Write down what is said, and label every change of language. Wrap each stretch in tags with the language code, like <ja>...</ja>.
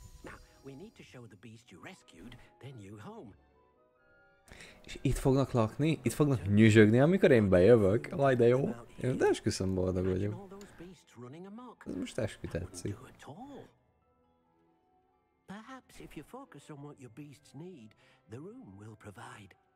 <en>Now, we need to show the beast you rescued their new home.</en> <hu>És itt fognak lakni? Itt fognak nyüzsögni, amikor én bejövök? Laj, de jó. Én de esküszöm, boldog vagyok. Ez most eskü tetszik.</hu> <en>Perhaps if you focus on what your beasts need, the room will provide.</en>